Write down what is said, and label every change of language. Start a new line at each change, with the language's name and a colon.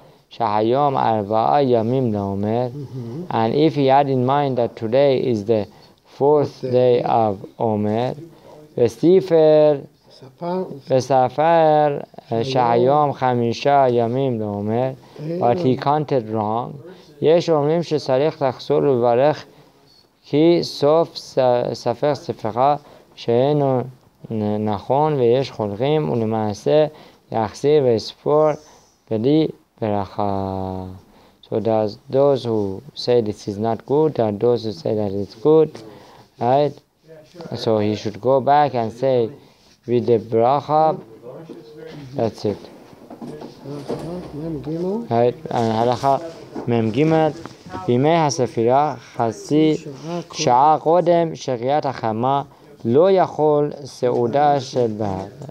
English: Mm-hmm. And if he had in mind that today is the fourth day of Omer, but he counted wrong.
Hebrew: יש אומרים שצריך לחזור ולברך כי סוף ספר ספרה שאינו נכון ויש חולרים ולמעשה יחזיר וספור בלי ברכה.
English: So there's those who say this is not good and those who say that it's good, right? So he should go back and say with the bracha, that's it. Right? And halakha
Hebrew: מם גימל, בימי הספירה חצי שעה קודם שקיעת החמה לא יאכל סעודה של בעל.